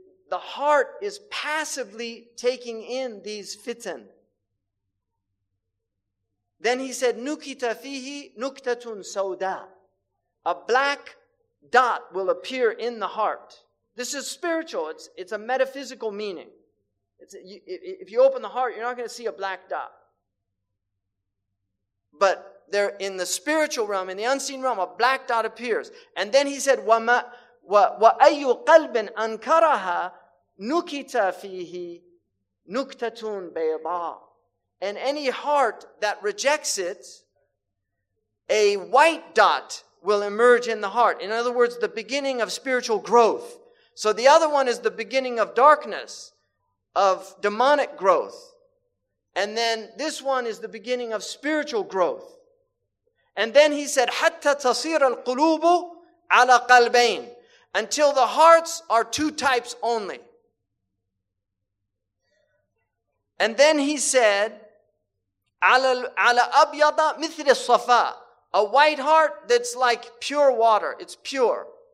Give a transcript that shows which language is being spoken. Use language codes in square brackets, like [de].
[en] The heart is passively taking in these fitan. Then he said, [ar] نُكِتَ فِيهِ نُكْتَةٌ سَوْدَى. [en] A black dot will appear in the heart. This is spiritual. It's a metaphysical meaning. If you open the heart, you're not going to see a black dot. But there, in the spiritual realm, in the unseen realm, a black dot appears. And then he said, [ar] وَأَيُّ قَلْبٍ أَنْكَرَهَا نُكِتَ فِيهِ نُكْتَةٌ بَيْضَى. [en] And any heart that rejects it, a white dot will emerge in the heart. In other words, the beginning of spiritual growth. So the other one is the beginning of darkness, of demonic growth. And then this one is the beginning of spiritual growth. And then he said, [ar] حَتَّى تَصِيرَ الْقُلُوبُ عَلَى قَلْبَيْنِ. [en] Until the hearts are two types only. And then he said, [ar] عَلَى أَبْيَضَ مِثْلِ الصَّفَاء. [en] A white heart that's like pure water. It's pure.